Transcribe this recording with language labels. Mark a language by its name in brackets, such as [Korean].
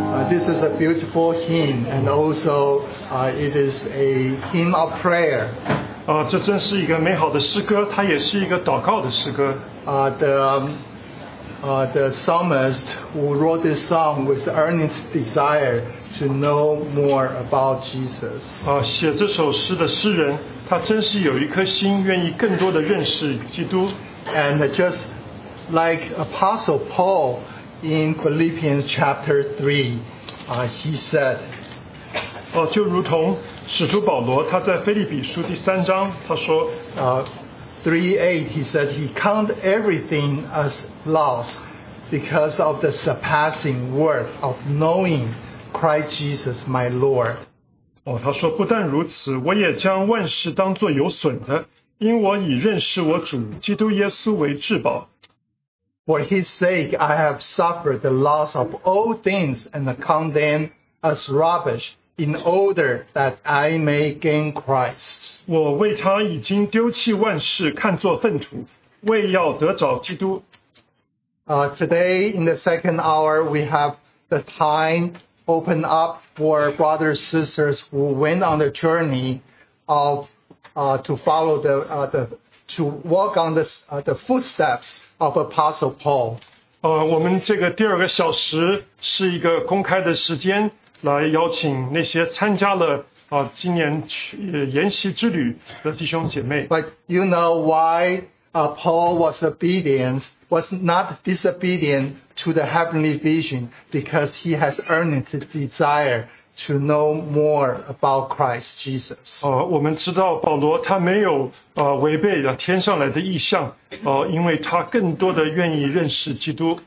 [English] This is a beautiful hymn, and also it is a hymn of prayer. [Chinese] 这真是一个美好的诗歌，它也是一个祷告的诗歌。 [English] The psalmist who wrote this song with earnest desire to know more about Jesus. [Chinese] 写这首诗的诗人，他真是有一颗心，愿意更多的认识基督。 [English] And just like Apostle Paul in Philippians chapter 3, he said, [Chinese] 就如同使徒保罗他在腓立比书第三章，他说 [English] 3:8, he said he count everything as loss because of the surpassing worth of knowing Christ Jesus my Lord. [Chinese] 他说不但如此，我也将万事当作有损的，因我已认识我主基督耶稣为至宝。 [English] For his sake I have suffered the loss of all things and count them as rubbish in order that I may gain Christ. [Chinese] 我为他已经丢弃万事，看作粪土，为要得着基督。 [English] Today in the second hour we have the time open up for brothers and sisters who went on the journey of to walk on the footsteps of Apostle Paul. [Chinese] 我们这个第二个小时是一个公开的时间，来邀请那些参加了今年研习之旅的弟兄姐妹。 [English] But you know why Paul was obedient, was not disobedient to the heavenly vision, because he has earnest desire to know more about Christ Jesus. [Chinese] 我们知道保罗他没有违背了天上来的意象，因为他更多的愿意认识基督。